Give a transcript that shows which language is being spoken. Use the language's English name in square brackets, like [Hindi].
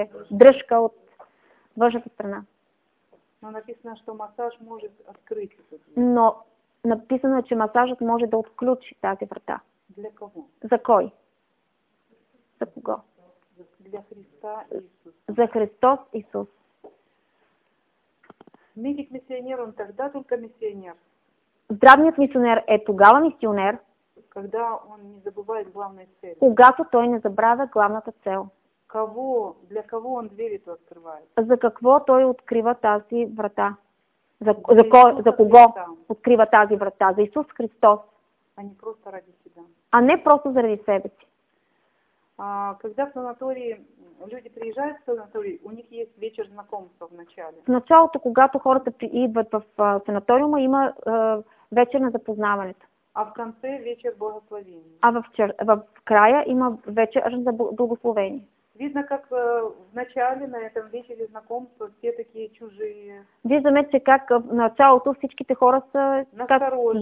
[Bulgarian] Дръжка от външната страна. [Russian] Но написано, что массаж может открыть эту дверь. Но написано, что [Bulgarian] массажът може да отключи тази врата. [Russian] Для кого? [Bulgarian] За кой? За кого? [Russian] Для Христа Иисус. [Bulgarian] За Христос Иисус. [Russian] Медик-мисионер, он тогда только миссионер. [Bulgarian] Здравният мисионер е тогава мисионер. [Russian] Когда он не забывает главной цели. [Bulgarian] Когато той не забравя главната цел. [Russian] Кого, для кого он двери то открывает? [Bulgarian] За какво той открива тази врата? За кого открива тази врата? За Исус Христос. [Russian] А не просто ради себя. [Bulgarian] А не просто заради себе си. [Russian] Когда в санатории люди приезжают в санаторий, у них есть вечер знакомства в начале. [Bulgarian] В началото, когато хората идват в санаториума, има вечер на запознаването. [Russian] А в конце вечер благословения. [Bulgarian] А в края има вечер за благословение. [Russian] Видно, как в начале на этом вечере знакомства все такие чужие. [Bulgarian] Виждаме, че как в началото всичките хора са насторожени.